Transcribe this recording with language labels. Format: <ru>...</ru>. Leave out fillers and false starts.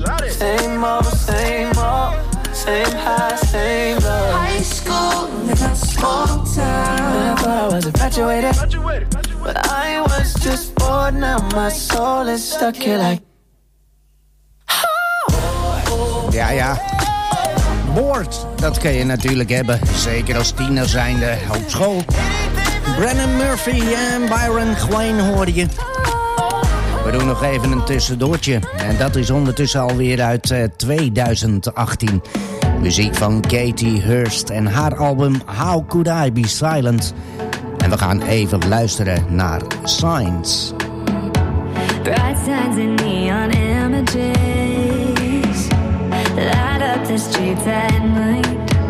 <en>Same old, same old. Same high, same low. High school in a small town. Yeah, I thought I was graduated. But I was just bored, now my soul is stuck here like.</en> <nl>Ja, ja. Bored, dat kun je natuurlijk hebben. Zeker als tiener zijnde op school. Brennan Murphy en Byron Gwain hoorde je. We doen nog even een tussendoortje. En dat is ondertussen alweer uit 2018. Muziek van Katie Hurst en haar album How Could I Be Silent. En we gaan even luisteren naar Signs.</nl> <en>Bright signs and neon images light up the streets at night.</en>